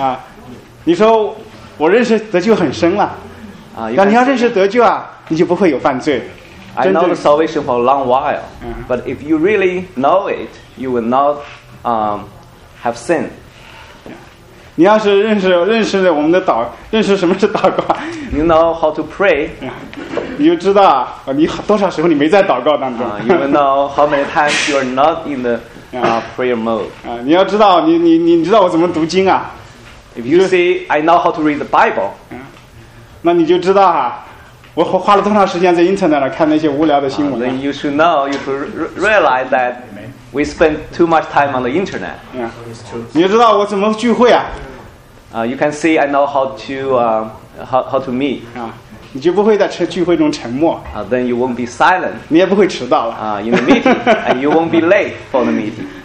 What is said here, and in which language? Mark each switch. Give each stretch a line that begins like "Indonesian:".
Chinese: 啊，你说我认识得救很深了。啊，但你要认识得救啊，你就不会有犯罪。
English: I know the salvation for a long while, but if you really know it, you will not have sin.
Chinese: 你要是认识了我们的祷，认识什么是祷告
English: ？You know how to pray.
Chinese: 你就知道啊，你多少时候你没在祷告当中
English: ？You will know how many times you are not in the prayer mode.
Chinese: 你要知道，你知道我怎么读经啊
English: ？If you see, I know how to read the Bible.
Chinese: 那你就知道哈。我花了多长时间在 internet 上看那些无聊的新闻、
English: Then you should know, you should realize that we spend too much time on the internet.
Chinese: Yeah. 你知道我怎么聚会啊、
English: You can see I know how to meet.
Chinese: 你就不会在聚会中沉默。
English: Then you won't be silent.
Chinese: 你也不会迟到了。
English: In the meeting, and you won't be late for the meeting.